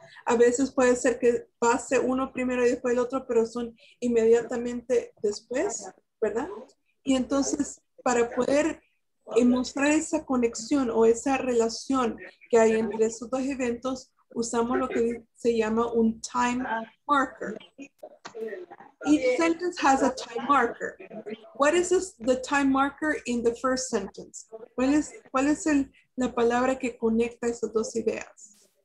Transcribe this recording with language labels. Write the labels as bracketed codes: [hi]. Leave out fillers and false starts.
[es] A veces puede ser que pase uno primero y después el otro, pero son inmediatamente después, ¿verdad? Y entonces, para poder mostrar esa conexión o esa relación que hay entre esos dos eventos, usamos lo que se llama un time marker. [en] Each sentence has a time marker. What is this, the time marker in the first sentence? [es] ¿Cuál es la palabra que conecta esas dos ideas?